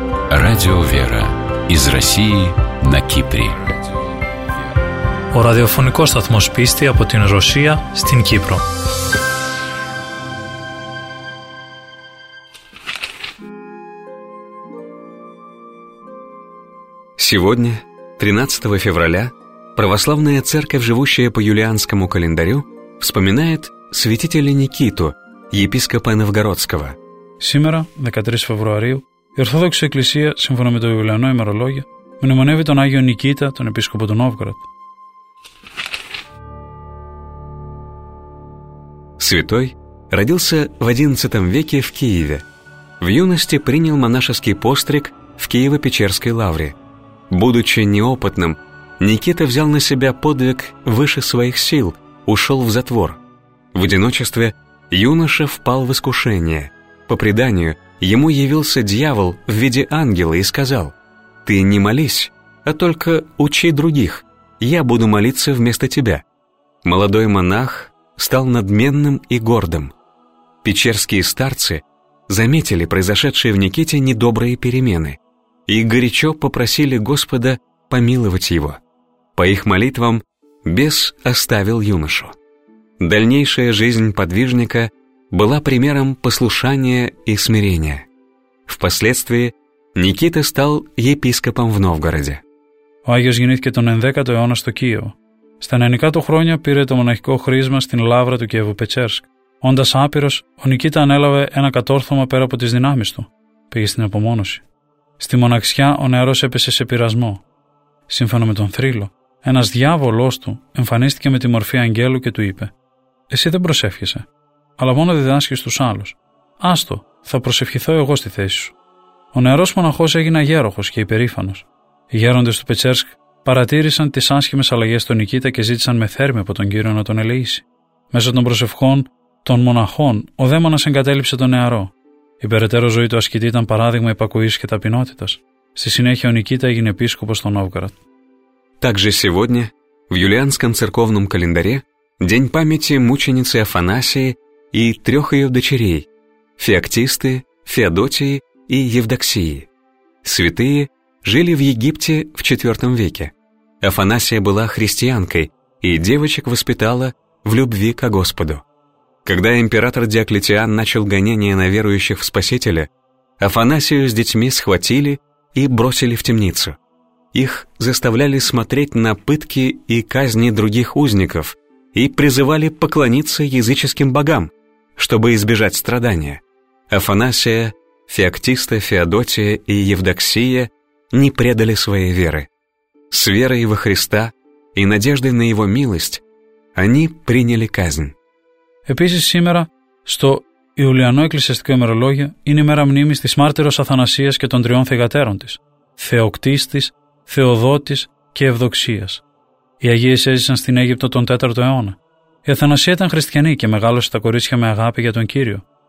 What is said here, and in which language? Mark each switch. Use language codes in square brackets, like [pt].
[ru] Радио «Вера» из России на Кипре. [el] Ο ραδιοφωνικός σταθμός πίστη από την Ρωσία στην Κύπρο. [ru] Сегодня, 13 февраля, Православная Церковь, живущая по юлианскому календарю, вспоминает святителя Никиту, епископа Новгородского. Сегодня, 13 февраля, [el] η Ορθόδοξη Εκκλησία, σύμφωνα με το Ιουλιανό ημερολόγιο, μνημονεύει τον Άγιο Νικήτα, τον επίσκοπο του Νόβγορο. [ru] Святой родился в 11 веке в Киеве. В юности принял монашеский постриг в Киево-Печерской лавре. Будучи неопытным, Никита взял на себя подвиг выше своих сил, ушел в затвор. В одиночестве юноша впал в искушение. По преданию, ему явился дьявол в виде ангела и сказал: «Ты не молись, а только учи других, я буду молиться вместо тебя». Молодой монах стал надменным и гордым. Печерские старцы заметили произошедшие в Никите недобрые перемены и горячо попросили Господа помиловать его. По их молитвам бес оставил юношу. Дальнейшая жизнь подвижника была примером послушания и смирения. Впоследствии Никита стал епископом в Новгороде. [el] Ο Άγιος γεννήθηκε τον 10ο αιώνα στο Κίεβο. Στα 90 του χρόνια πήρε το μοναχικό χρίσμα στην Λαύρα του Κιέβου Πετσέρσκ. Όντας άπειρος, ο Νικήτα ανέλαβε ένα κατόρθωμα πέρα από τις δυνάμεις του. Πήγε στην απομόνωση. Στη μοναξιά ο νεαρός έπεσε σε πειρασμό. Σύμφωνα με τον θρύλο, ένας διάβολός του εμφανίστηκε με τη μορφή αγγέλου και του είπε: «Εσύ δεν προσεύχεσαι, αλλά μόνο διδάσκεις στους άλλους. Άστο, θα προσευχηθώ εγώ στη θέση σου». Ο νεαρός μοναχός έγινε αγέροχος και υπερήφανος. Οι γέροντες του Πετσέρσκ παρατήρησαν τις άσχημες αλλαγές στον Νικήτα και ζήτησαν με θέρμη από τον Κύριο να τον ελεήσει. Μέσω των προσευχών των μοναχών, ο δαίμονας εγκατέλειψε τον νεαρό. Η περαιτέρω ζωή του ασκητή ήταν παράδειγμα υπακοής και ταπεινότητας. Στη συνέχεια ο Νικήτα έγινε επίσκοπος στον Νόβγκορωδ. [ru] Также сегодня в юлианском церковном календаре день памяти мученицы Афанасии и трех ее дочерей – Феоктисты, Феодотии и Евдоксии. Святые жили в Египте в 4 веке. Афанасия была христианкой и девочек воспитала в любви ко Господу. Когда император Диоклетиан начал гонения на верующих в Спасителя, Афанасию с детьми схватили и бросили в темницу. Их заставляли смотреть на пытки и казни других узников и призывали поклониться языческим богам, чтобы избежать страдания. Афанасия, Феоктиста, Феодотия и Евдоксия не предали своей веры. С верой во Христа и надеждой на Его милость они приняли казнь. [el] Επίσης σήμερα, στο Ιουλιανό Εκκλησιαστικό ημερολόγιο, είναι η μέρα μνήμης της μάρτυρος Αθανασίας και των τριών θυγατέρων της, Θεοκτίστης, Θεοδότης και Ευδοξίας. Οι Αγίες έζησαν στην Αίγυπτο τον 4ο αιώνα. Η Αθανασία ήταν χριστιανή και μεγάλωσε τα κορίτσια με αγάπη για τον Κύριο.